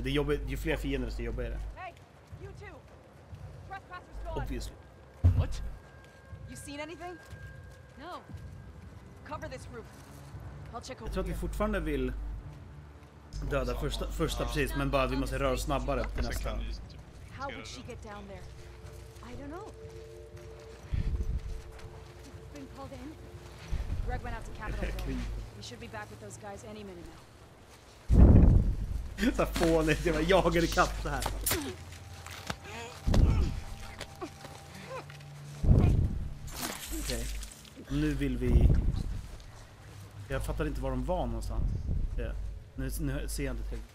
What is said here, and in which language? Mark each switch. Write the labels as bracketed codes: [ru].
[sv] Det är jobbigt, ju fler fiender desto jobbigare är det. [en] Hey, you two. Trespassers gone. Obviously. What? You seen anything? No. Cover this roof. I'll check over. [sv] Jag tror att vi fortfarande vill döda första precis, men bara vi måste röra oss snabbare upp till nästa. [en] How would she get down there? I don't know. It's been called in. Greg went out to Capitol. We should be back with those guys any minute now. [sv] Så fånigt, jag bara jagar i kapp så här. Okej. Okay. Nu vill vi... Jag fattar inte var de var någonstans. Yeah. Nu ser jag inte till.